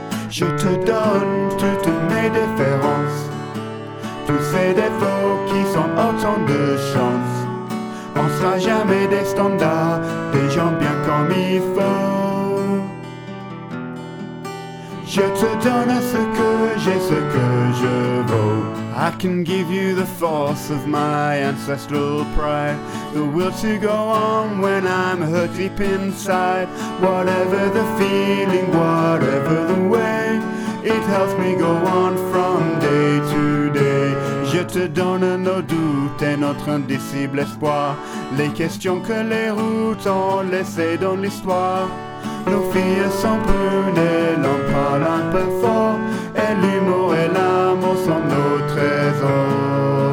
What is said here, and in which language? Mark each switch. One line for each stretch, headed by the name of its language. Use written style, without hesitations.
French: Je te donne toutes mes différences, tous ces défauts qui sont autant de chance. On sera jamais des standards, des gens bien comme il faut. Je te donne ce que j'ai, ce que je vaux.
English: I can give you the force of my ancestral pride. The will to go on when I'm hurt deep inside. Whatever the feeling, whatever the way, it helps me go on from day to day.
French: Je te donne nos doutes et notre indicible espoir. Les questions que les routes ont laissées dans l'histoire. Nos filles sont brunes et l'on parle un peu fort. Et l'humour et l'amour sont nos trésors.